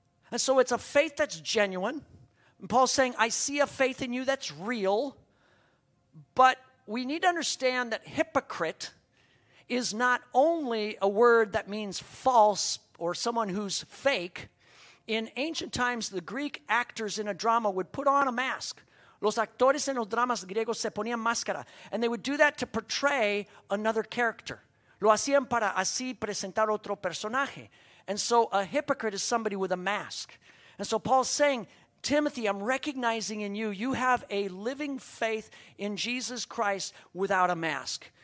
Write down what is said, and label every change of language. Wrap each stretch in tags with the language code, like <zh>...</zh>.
<en>And so it's a faith that's genuine. And Paul's saying, I see a faith in you that's real. But we need to understand that hypocrite is not only a word that means false or someone who's fake. In ancient times, the Greek actors in a drama would put on a mask.</en> <es>Los actores en los dramas griegos se ponían máscara.</es> <en>And they would do that to portray another character.</en> <es>Lo hacían para así presentar otro personaje.</es> <en>And so a hypocrite is somebody with a mask. And so Paul's saying, Timothy, I'm recognizing in you, you have a living faith in Jesus Christ without a mask.</en>